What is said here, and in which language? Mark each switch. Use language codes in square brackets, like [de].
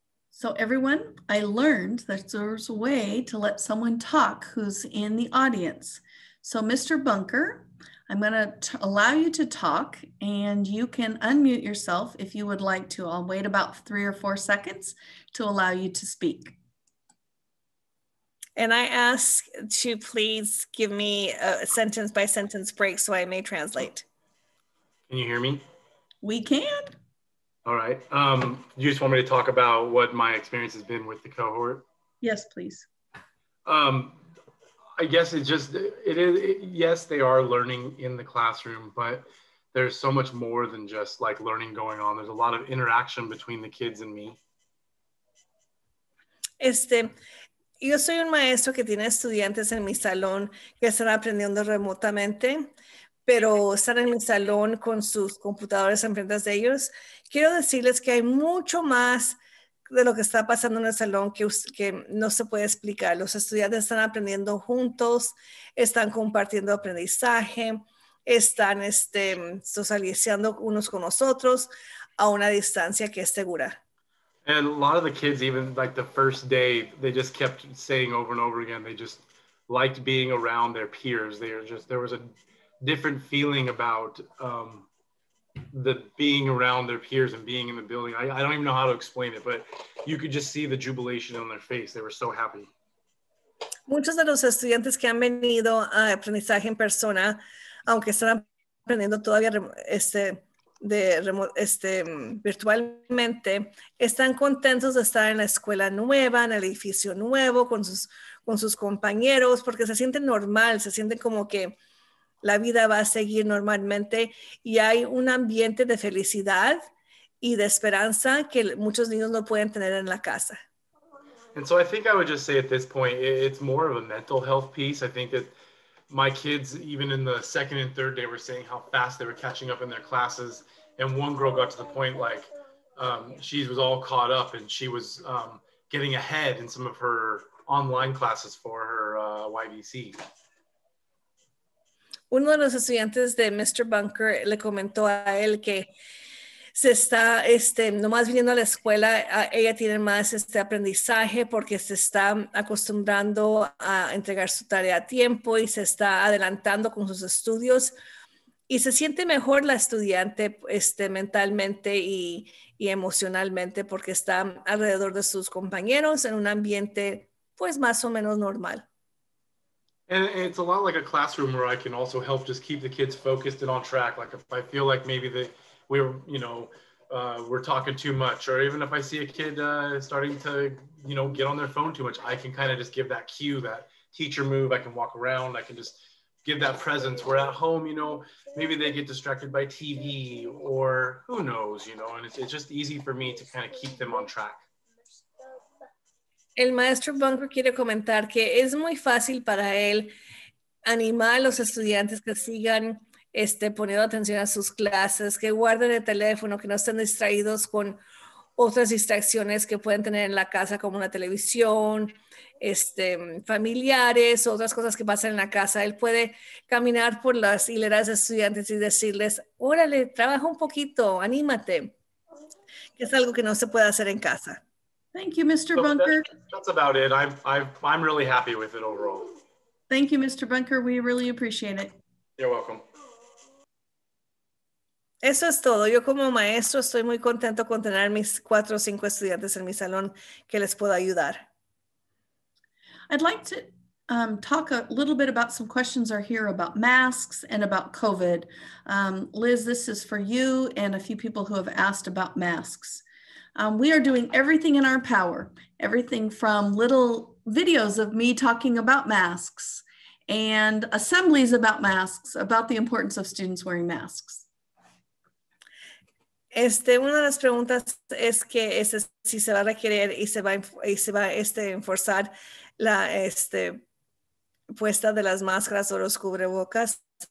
[en] So everyone, I learned that there's a way to let someone talk who's in the audience. So Mr. Bunker, I'm gonna allow you to talk and you can unmute yourself if you would like to. I'll wait about 3 or 4 seconds to allow you to speak. And I ask to please give me a sentence by sentence break so I may translate. Can you hear me? We can. All right, you just want me to talk about what my experience has been with the cohort? Yes, please. I guess yes, they are learning in the classroom, but there's so much more than just like learning going on. There's a lot of interaction between the kids and me. [es] Yo soy un maestro que tiene estudiantes en mi salón que están aprendiendo remotamente, pero están en mi salón con sus computadores enfrente de ellos. Quiero decirles que hay mucho más de lo que está pasando en el salón que no se puede explicar. Los estudiantes están aprendiendo juntos, están compartiendo aprendizaje, están socializando unos con los otros a una distancia que es segura. [en] And a lot of the kids, even like the first day, they just kept saying over and over again, they just liked being around their peers. There was a different feeling about the being around their peers and being in the building. I don't even know how to explain it, but you could just see the jubilation on their face. They were so happy. [es] Muchos de los estudiantes que han venido a aprendizaje en persona, aunque están aprendiendo todavía virtualmente, están contentos de estar en la escuela nueva, en el edificio nuevo, con sus compañeros, porque se sienten normal, se sienten como que la vida va a seguir normalmente y hay un ambiente de felicidad y de esperanza que muchos niños no pueden tener en la casa. [en] And so I think I would just say at this point, it's more of a mental health piece. I think that my kids, even in the second and third day, were saying how fast they were catching up in their classes. And one girl got to the point like she was all caught up and she was getting ahead in some of her online classes for her YVC. [es] Uno de los estudiantes de Mr. Bunker le comentó a él que se está nomás viniendo a la escuela, ella tiene más aprendizaje porque se está acostumbrando a entregar su tarea a tiempo y se está adelantando con sus estudios y se siente mejor la estudiante mentalmente y emocionalmente porque está alrededor de sus compañeros en un ambiente pues más o menos normal. [en] And it's a lot like a classroom where I can also help just keep the kids focused and on track. Like if I feel like maybe that we're talking too much, or even if I see a kid starting to, get on their phone too much, I can kind of just give that cue, that teacher move. I can walk around. I can just give that presence. Where at home, maybe they get distracted by TV or who knows, and it's just easy for me to kind of keep them on track. [es] El maestro Bunker quiere comentar que es muy fácil para él animar a los estudiantes que sigan poniendo atención a sus clases, que guarden el teléfono, que no estén distraídos con otras distracciones que pueden tener en la casa como la televisión, familiares, otras cosas que pasan en la casa. Él puede caminar por las hileras de estudiantes y decirles, órale, trabaja un poquito, anímate, que es algo que no se puede hacer en casa. [en] Thank you, Mr. Bunker. That's about it. I'm really happy with it overall. Thank you, Mr. Bunker. We really appreciate it. You're welcome. [es] Eso es todo. Yo como maestro estoy muy contento con tener mis 4 o 5 estudiantes en mi salón que les pueda ayudar. [en] I'd like to talk a little bit about some questions are here about masks and about COVID. Liz, this is for you and a few people who have asked about masks. We are doing everything in our power, everything from little videos of me talking about masks and assemblies about masks, about the importance of students wearing masks. [es] Una de las preguntas es que si se va a requerir y se va a enforzar la puesta de las máscaras o los cubrebocas.